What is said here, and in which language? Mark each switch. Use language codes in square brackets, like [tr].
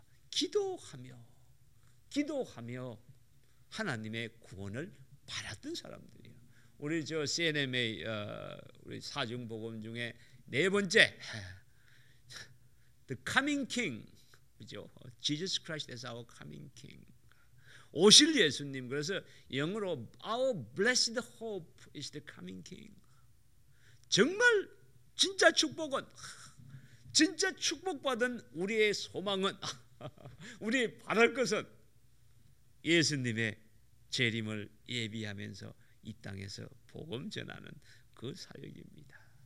[ko] 기도하며 하나님의 구원을 바랐던 사람들이에요. 우리 저 CNMA 우리 사중복음 중에 네 번째 [en] The Coming King, [ko] 그죠? [en] Jesus Christ is our coming King. [ko] 오실 예수님. 그래서 영어로 [en] Our blessed hope is the coming King. [ko] 정말 진짜 축복은, 진짜 축복받은 우리의 소망은, 우리 바랄 것은 예수님의 재림을 예비하면서 이 땅에서 복음 전하는 그 사역입니다.